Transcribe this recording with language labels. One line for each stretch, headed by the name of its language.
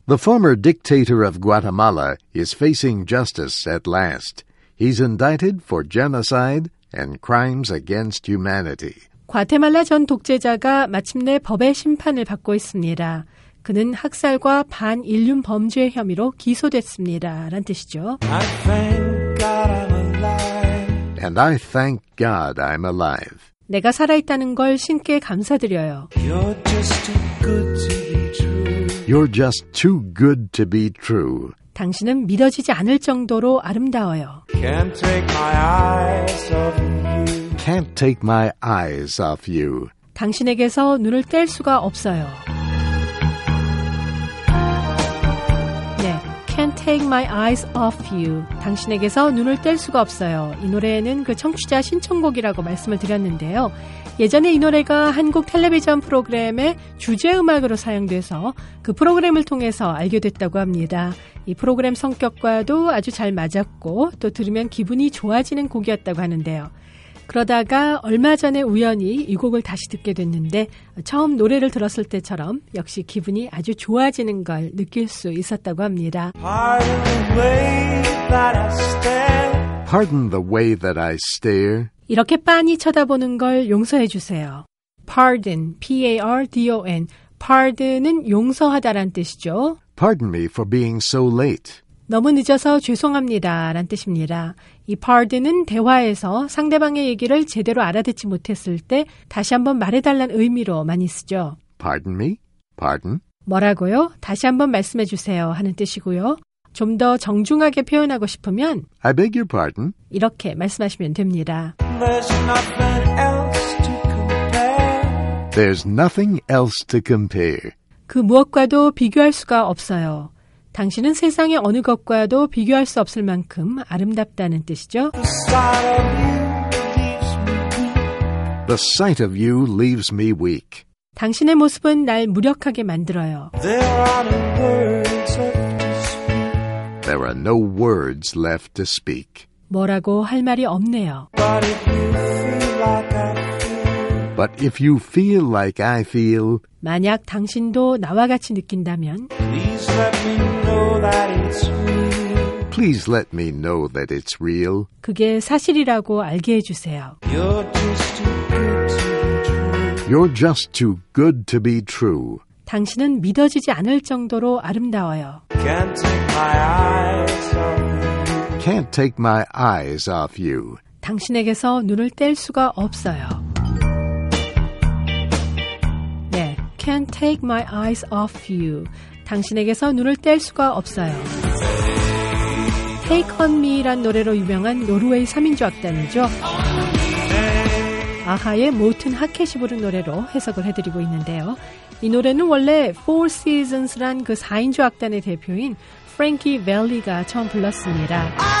English: The former dictator of Guatemala is facing justice at last. He's indicted for genocide. And crimes against humanity.
Korean: 과테말라 전 독재자가 마침내 법의 심판을 받고 있습니다. 그는 학살과 반인륜 범죄 혐의로 기소됐습니다. 라는 뜻이죠.
English: I thank God I'm alive. And I thank God I'm alive.
Korean: 내가 살아있다는 걸 신께 감사드려요.
English: You're just too good to be true. You're just too good to be true.
Korean: 당신은 믿어지지 않을 정도로 아름다워요.
English: Can't take my eyes off you. Can't take my eyes off you.
Korean: 당신에게서 눈을 뗄 수가 없어요. 네,
English: Can't take my eyes off you.
Korean: 당신에게서 눈을 뗄 수가 없어요. 이 노래는 그 청취자 신청곡이라고 말씀을 드렸는데요. 예전에 이 노래가 한국 텔레비전 프로그램의 주제음악으로 사용돼서 그 프로그램을 통해서 알게 됐다고 합니다. 이 프로그램 성격과도 아주 잘 맞았고 또 들으면 기분이 좋아지는 곡이었다고 하는데요. 그러다가 얼마 전에 우연히 이 곡을 다시 듣게 됐는데 처음 노래를 들었을 때처럼 역시 기분이 아주 좋아지는 걸 느낄 수 있었다고 합니다.
English: Pardon the way that I stare. Pardon the way that I stare.
Korean: 이렇게 빤히 쳐다보는 걸 용서해 주세요.
English: Pardon, P-A-R-D-O-N.
Korean: Pardon은 용서하다란 뜻이죠.
English: Pardon me for being so late.
Korean: 너무 늦어서 죄송합니다. 라는 뜻입니다. 이 pardon은 대화에서 상대방의 얘기를 제대로 알아듣지 못했을 때 다시 한번 말해달라는 의미로 많이 쓰죠.
English: Pardon me? Pardon?
Korean: 뭐라고요? 다시 한번 말씀해 주세요. 하는 뜻이고요. 좀 더 정중하게 표현하고 싶으면
English: I beg your pardon?
Korean: 이렇게 말씀하시면 됩니다.
English: There's nothing else to compare. There's nothing else to compare.
Korean: 그 무엇과도 비교할 수가 없어요. 당신은 세상의 어느 것과도 비교할 수 없을 만큼 아름답다는 뜻이죠.
English: The sight of you leaves me weak. The sight of you leaves me weak.
Korean: 당신의 모습은 날 무력하게 만들어요.
English: There are no words left to speak. There are no words left to speak.
Korean: 뭐라고 할 말이 없네요.
English: But if you feel like I feel. But if you feel like I feel.
Korean: 만약 당신도 나와 같이 느낀다면
English: Please let me know that it's real. Please let me know that it's real.
Korean: 그게 사실이라고 알게 해 주세요.
English: You're just too good to be true. You're just too good to be true.
Korean: 당신은 믿어지지 않을 정도로 아름다워요.
English: Can't take my eyes off you. Can't take my eyes off you.
Korean: 당신에게서 눈을 뗄 수가 없어요.
English: Can't take my eyes off you.
Korean: 당신에게서 눈을 뗄 수가 없어요. Take on me란 노래로 유명한 노르웨이 3인조 악단이죠. 아하의 모튼 하켓이 부른 노래로 해석을 해드리고 있는데요. 이 노래는 원래 Four Seasons란 그 4인조 악단의 대표인 프랭키 벨리가 처음 불렀습니다.